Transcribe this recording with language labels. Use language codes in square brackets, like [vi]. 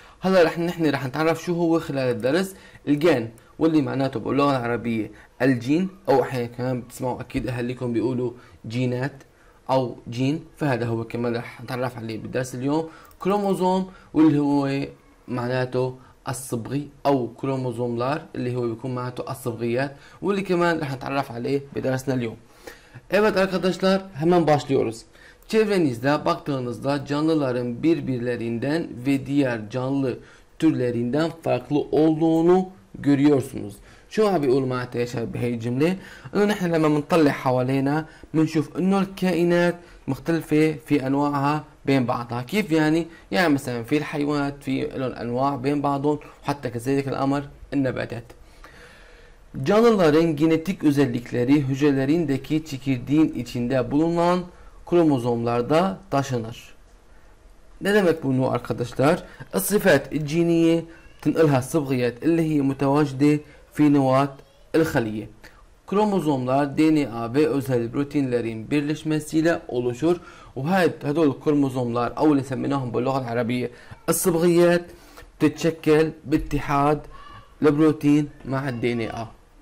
[ar] هلا رح نتعرف شو هو خلال الدرس. الجين واللي معناته باللغة العربية الجين، أو أحيانا كمان بتسمعوا أكيد أهلكم بيقولوا جينات أو جين، فهذا هو كمان رح نتعرف عليه بالدرس اليوم. كروموزوم واللي هو معناته الصبغي، أو كروموزوملار اللي هو بيكون معناته الصبغيات، واللي كمان رح نتعرف عليه بدرسنا اليوم. [tr] Evet arkadaşlar, hemen başlıyoruz. Çevrenizde baktığınızda canlıların birbirlerinden ve diğer canlı türlerinden farklı olduğunu görüyorsunuz. [ar] شو عم بيقول معناتها يا شباب بهي الجملة؟ إنه نحن لما بنطلع حوالينا بنشوف إنه الكائنات مختلفة في أنواعها بين بعضها، كيف يعني؟ يعني مثلا في الحيوانات في لهم أنواع بين بعضهم، وحتى كذلك الأمر النباتات. [tr] Canlıların genetik özellikleri hücrelerindeki çekirdeğin içinde bulunan kromozomlarda taşınır. Ne demek bunu arkadaşlar? [ar] Sıfat cinsiyeti tınılha sıbgiyat اللي هي متواجدة في نواة الخلية. [tr] كروموزوملار DNA ve özel proteinlerin birleşmesiyle oluşur. [ar] وهدول الكروموزوملار أو اللي سميناهم باللغة العربية الصبغيات بتتشكل باتحاد البروتين مع الـ DNA.